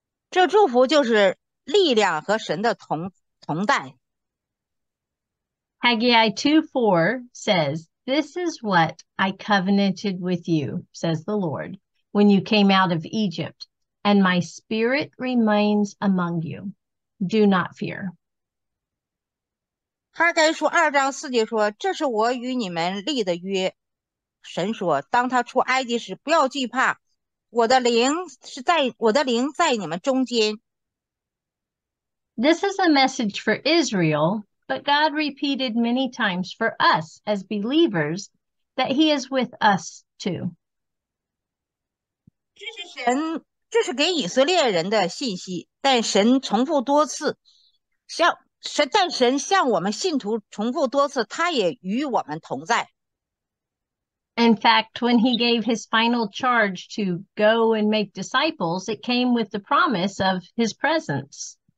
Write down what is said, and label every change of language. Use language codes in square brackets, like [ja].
[zh] 这祝福就是力量和神的同在。 [en] Haggai 2:4 says, "This is what I covenanted with you," says the Lord, "when you came out of Egypt, and my spirit remains among you. Do not fear." [zh] Haggai 2:4 说，这是我与你们立的约。神说，当他出埃及时，不要惧怕，我的灵在你们中间。 [en] This is a message for Israel, but God repeated many times for us as believers that he is with us too. [zh] 这是给以色列人的信息，但神重复多次向神向我们信徒重复多次，他也与我们同在。 [en] In fact, when he gave his final charge to go and make disciples, it came with the promise of his presence.